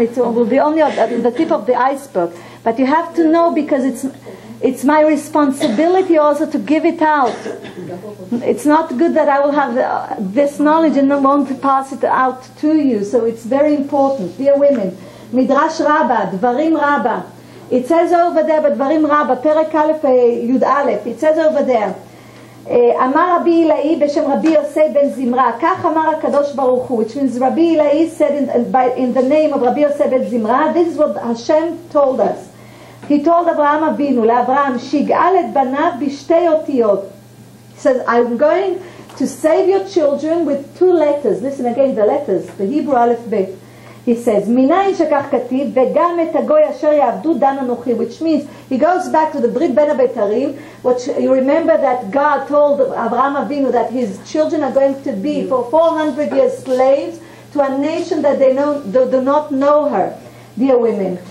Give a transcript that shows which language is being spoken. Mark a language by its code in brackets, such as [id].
[en] It will be only the tip of the iceberg. But you have to know, because it's my responsibility also to give it out. It's not good that I will have this knowledge and won't pass it out to you. So it's very important. Dear women, Midrash Rabbah, Dvarim Rabbah. [he] It says over there, בדברים רבה, פרק א' יוד א', [en] it says over there, [he] אמר רבי אילאי בשם רבי יוסי בן זמרה, כך אמר הקדוש ברוך הוא, [en] which means [he] רבי אילאי [en] said in the name of [he] רבי יוסי בן זמרה, [en] this is what Hashem told us. He told [he] אברהם אבינו, לאברהם, שיגאל את בניו בשתי אותיות. [en] He says, I'm going to save your children with two letters. Listen again, the letters, the Hebrew א' ב'. He says, [he] מיניין שכך כתיב, וגם את הגוי אשר יעבדו דן אנוכי, [en] which means, he goes back to the ברית בין הבתרים, which you remember that God told Abraham Avinu that his children are going to be for 400 years slaves to a nation that they know, do not know her, dear women.